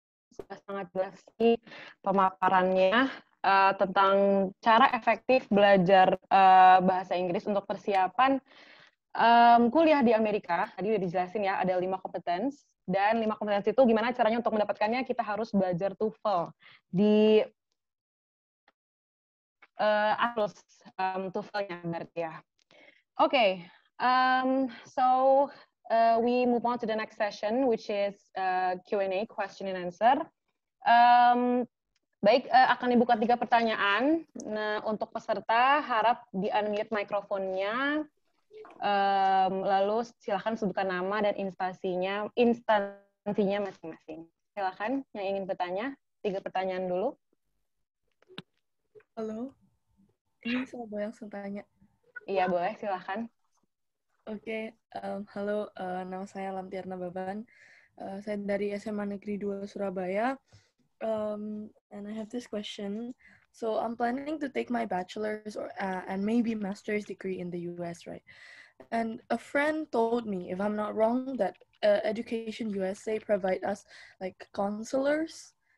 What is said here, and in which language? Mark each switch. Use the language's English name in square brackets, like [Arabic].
[Indonesian] Sudah sangat jelas pemaparannya tentang cara efektif belajar bahasa Inggris untuk persiapan kuliah di Amerika. Tadi sudah dijelasin ya, ada lima kompetensi. Dan lima kompetensi itu gimana caranya untuk mendapatkannya, kita harus belajar TOEFL di arus TOEFL-nya berarti ya. Oke, okay. [English] We move on to the next session, which is Q&A, question and answer. [Indonesian] Baik, akan dibuka tiga pertanyaan. Nah, untuk peserta, harap di-unmute mikrofonnya. Lalu silakan sebutkan nama dan instansinya. nantinya masing-masing. Silakan yang ingin bertanya, 3 pertanyaan dulu. Halo, ini saya boleh langsung tanya? Iya, boleh, silakan. Oke, halo, nama saya Lampiarna Baban. Saya dari SMA Negeri 2 Surabaya. [English] And I have this question. So I'm planning to take my bachelor's or and maybe master's degree in the US, right? And a friend told me, if I'm not wrong, that Education USA provide us like counselors.